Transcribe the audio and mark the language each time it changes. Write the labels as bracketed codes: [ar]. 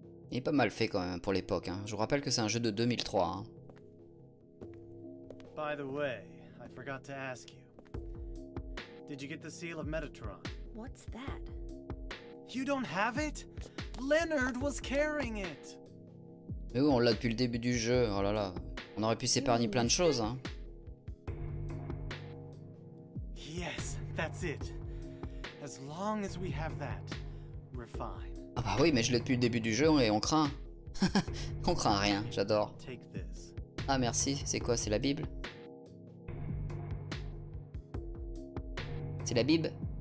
[fr] Il est pas mal fait quand même pour l'époque, hein. Je vous rappelle que c'est un jeu de 2003. Hein. [en] By the way, I forgot to ask you. Did you get the seal of Metatron? What's that? You don't have it? Leonard was carrying it. [fr] Mais oui, on l'a depuis le début du jeu. Oh là là, on aurait pu s'épargner plein de choses, hein. [en] Yes, that's it. As long as we have that, we're fine. [fr] Ah bah oui, mais je l'ai depuis le début du jeu et on craint. On craint rien, j'adore. Ah merci, c'est quoi, c'est la Bible? C'est la Bible?